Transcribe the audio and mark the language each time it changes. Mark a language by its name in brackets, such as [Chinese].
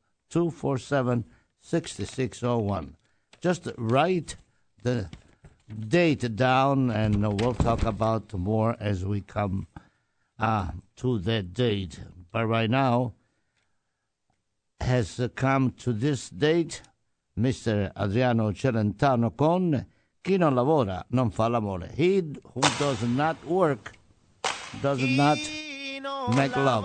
[English] 247-6601. Just write the date down and we'll talk about more as we come to that date. But right now, has come to this date Mr. [Italian] Adriano Celentano con Chi non lavora non fa l'amore. [English] He who does not work does not make love.